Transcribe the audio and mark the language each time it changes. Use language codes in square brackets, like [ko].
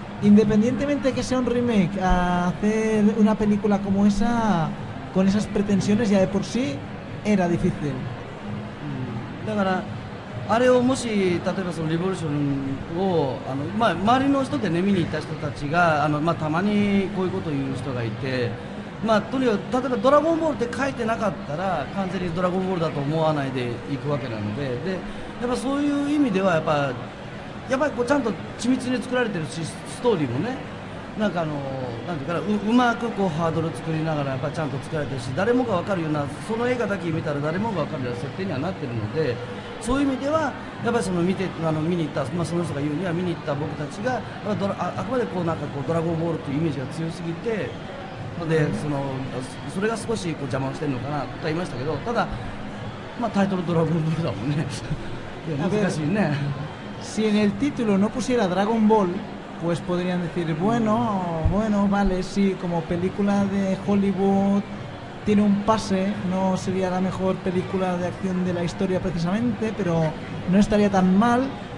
[es] Independientemente que sea un remake, hacer una película como esa con esas pretensiones ya de por sí era difícil. [ja] だからあれをもし例えばそのリボリューションを周りの人でね、見に行った人たちがまあ、たまにこういうことを言う人がいて、まあ、とにかく例えばドラゴンボールって書いてなかったら完全にドラゴンボールだと思わないでいくわけなの でやっぱそういう意味ではやっぱりこうちゃんと緻密に作られてるし、ストーリーもね、なんかなんていうかな、うまくこうハードル作りながらやっぱちゃんと作られてるし、誰もが分かるような、その映画だけ見たら誰もが分かるような設定にはなってるので、そういう意味ではやっぱり 見に行った、まあ、その人が言うには見に行った僕たちがやっぱあくまでこうなんかこうドラゴンボールというイメージが強すぎて、でそれが少しこう邪魔をしてるのかなと言いましたけど、ただ、まあ、タイトルドラゴンボールだもんね。難しいね。 [es] Si en el título no pusiera Dragon Ball, pues podrían decir, bueno, vale, sí, como película de Hollywood tiene un pase, no sería la mejor película de acción de la historia precisamente, pero no estaría tan mal.